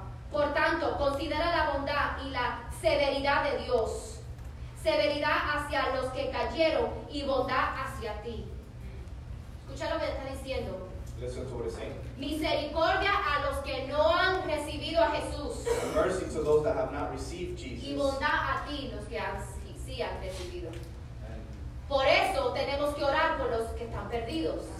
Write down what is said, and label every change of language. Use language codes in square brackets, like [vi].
[es] Por tanto, considera la bondad y la severidad de Dios. Severidad hacia los que cayeron y bondad hacia ti. Escucha lo que está diciendo. [en] Listen to what it's saying. [es] Misericordia a los que no han recibido a Jesús. [en] And mercy to those that have not received Jesus. [es] Y bondad a ti, los que sí han recibido. Por eso tenemos que orar por los que están perdidos.